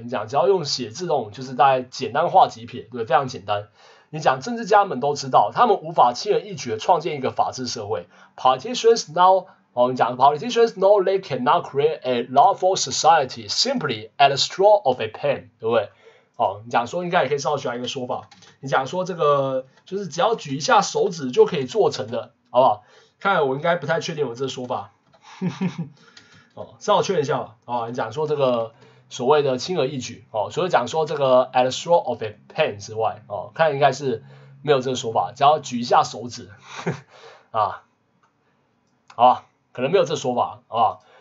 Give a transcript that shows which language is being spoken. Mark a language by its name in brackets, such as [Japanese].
[Chinese] 你讲只要用写字这种，就是大概简单化几撇，对，非常简单。你讲政治家们都知道，他们无法轻而易举的创建一个法治社会。 [English] Politicians now， [Chinese] 哦，你讲 [English] politicians know they cannot create a lawful society simply at a stroke of a pen， [Chinese] 对不对？哦，你讲说应该也可以稍微学一个说法。你讲说这个就是只要举一下手指就可以做成的。好不好？看来我应该不太确定我这个说法，哦，稍微确认一下吧。哦，你讲说这个所谓的轻而易举，哦，除了讲说这个 [English] at a stroke of a pen [Chinese] 之外，哦，看来应该是没有这个说法，只要举一下手指，啊，好吧，可能没有这个说法，好吧？